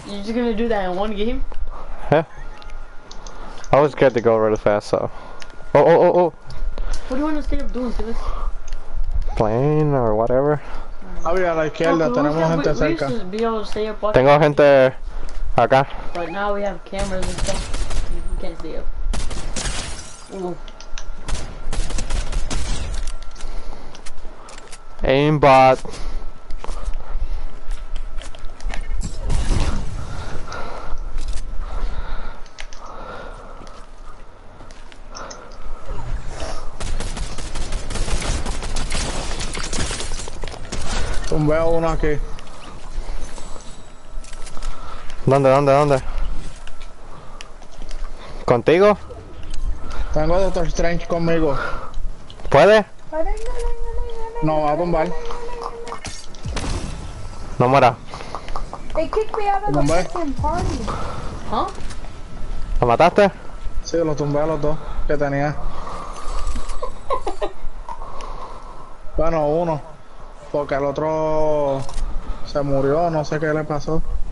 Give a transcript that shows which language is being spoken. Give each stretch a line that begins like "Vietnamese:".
English: You're just gonna do that in one game? Yeah. I always get to go really fast, so. Oh. What do you want to stay up doing, Felix? Playing or whatever.
Spanish: Ah, mira, a la izquierda, tenemos gente cerca.
English: We used to be able to stay up watching.
Spanish: Tengo gente acá.
English: But now we have cameras and stuff. We can't stay up. Ooh. Aimbot.
Spanish: Veo uno aquí. ¿Dónde? ¿Contigo? Tengo a Doctor Strange conmigo. ¿Puede? No, va a bombar. No muera.
English: They kicked me out of the fucking party. ¿Huh?
Spanish: ¿Lo mataste? Sí, lo tumbé a los dos que tenía. Bueno, uno. Porque el otro se murió, no sé qué le pasó.